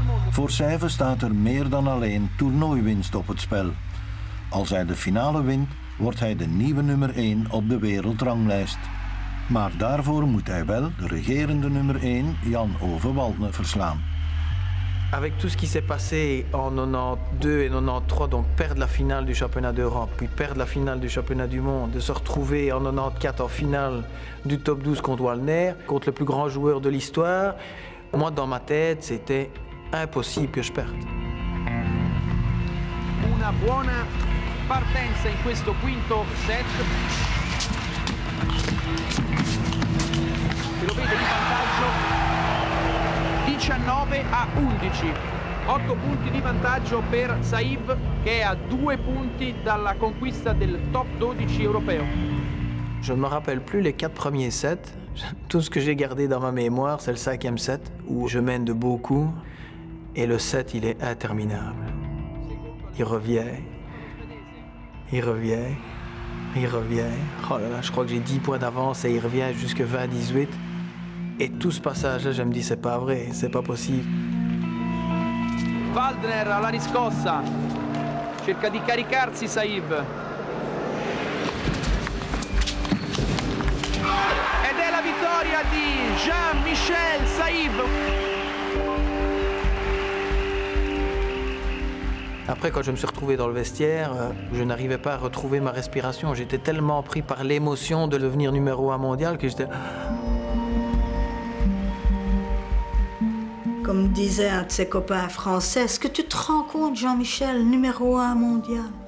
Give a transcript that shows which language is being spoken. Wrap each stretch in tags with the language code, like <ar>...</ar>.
<nl>Voor Säve staat er meer dan alleen toernooiwinst op het spel. Als hij de finale wint, wordt hij de nieuwe nummer 1 op de wereldranglijst. Maar daarvoor moet hij wel de regerende nummer 1, Jan Overwaldne, verslaan.</nl> <fr>Avec tout ce qui s'est passé en 92 et 93, donc perdre la finale du championnat d'Europe, puis perdre la finale du championnat du monde, de se retrouver en 94 en finale du top 12 contre Wallner, contre le plus grand joueur de l'histoire, moi dans ma tête, c'était impossible que je perde.</fr> <it>Una buona partenza in questo quinto set. Se lo vede in vantaggio. 19-11, 8 punti di vantaggio per Saïb che è a 2 punti dalla conquista del top 12 europeo.</it> <fr>Je ne me rappelle plus les 4 premiers sets. Tout ce que j'ai gardé dans ma mémoire, c'est le 5e set où je mène de beaucoup et le set, il est interminable. Il revient. Oh là là, je crois que j'ai 10 points d'avance et il revient jusque 20-18. Et tout ce passage-là, je me dis, c'est pas vrai, c'est pas possible.</fr> <it>Waldner à la riscossa. Cerca di caricarsi, Saïb. Ed è la vittoria di Jean-Michel Saïb.</it> <fr>Après, quand je me suis retrouvé dans le vestiaire, je n'arrivais pas à retrouver ma respiration. J'étais tellement pris par l'émotion de devenir numéro 1 mondial que j'étais... Comme disait un de ses copains français, est-ce que tu te rends compte, Jean-Michel, numéro 1 mondial?</fr>